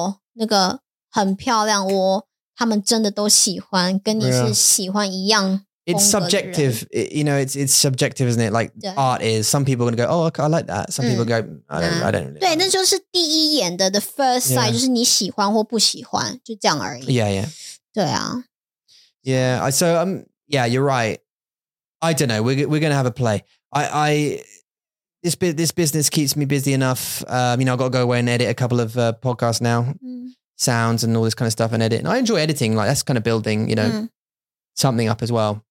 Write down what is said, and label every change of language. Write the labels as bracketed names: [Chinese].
[Chinese] 要让大家真的都觉得我那个很漂亮， 我他们真的都喜欢， 跟你是喜欢一样风格的人。 [English] It's subjective, you know, it's subjective, isn't it? Like art is, some people are going to go, oh, I like that. Some people go, I don't really [Chinese] 对, 那就是第一眼的, [English] the first sight, yeah. [Chinese] 就是你喜欢或不喜欢, 就这样而已。 [English] Yeah, yeah. [Chinese] 对啊。 [English] Yeah, so, yeah, you're right. I don't know, we're going to have a play. This business keeps me busy enough. You know, I've got to go away and edit a couple of podcasts now. Mm. Sounds and all this kind of stuff and edit. And I enjoy editing. Like, that's kind of building, you know, something up as well.